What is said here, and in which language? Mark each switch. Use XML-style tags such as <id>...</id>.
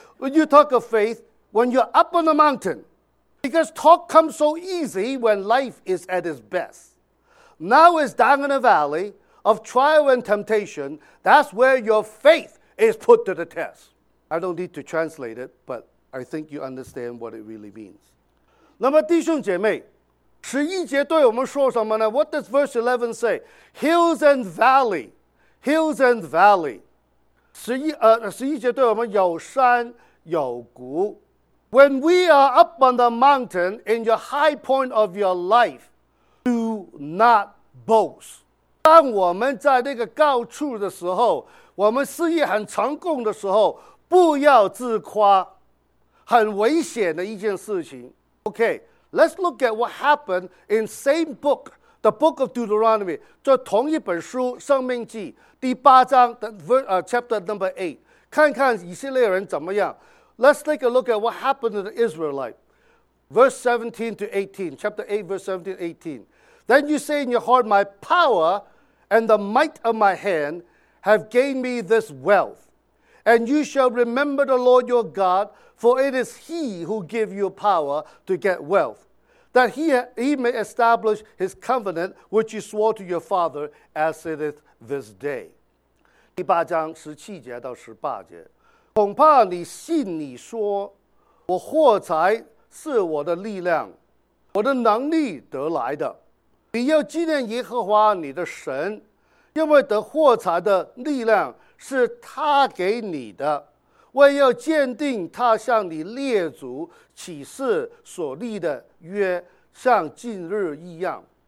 <en>When you talk of faith, when you're up on the mountain, because talk comes so easy when life is at its best. Now it's down in a valley of trial and temptation. That's where your faith is put to the test. I don't need to translate it, but I think you understand what it really means.</en> <zh>那么弟兄姐妹，十一节对我们说什么呢？</zh> <en>What does verse 11 say? Hills and valley. Hills and valley.</en> <zh>十一节对我们有山有谷。</zh> <en>When we are up on the mountain in your high point of your life,Do not boast.</en> <zh>当我们在那个高处的时候，我们事业很成功的时候，不要自夸，很危险的一件事情。</zh> <en>Okay, let's look at what happened in same book, the book of Deuteronomy.</en> <zh>这同一本书，《生命记》第八章的</zh> <en>chapter number 8.</en> <zh>看看以色列人怎么样。</zh> <en>Let's take a look at what happened to the Israelites. Verse 17 to 18, chapter 8, verse 17 to 18. Then you say in your heart, my power and the might of my hand have gained me this wealth. And you shall remember the Lord your God, for it is He who gave you power to get wealth, that he may establish His covenant, which He swore to your father as it is this day.</en> <zh>第八章十七节到十八节。恐怕你信你说，我获财是我的力量，我的能力得来的。你要纪念耶和华你的神，因为得获财的力量是他给你的，为要坚定他向你列祖起誓所立的约，像近日一样。</zh>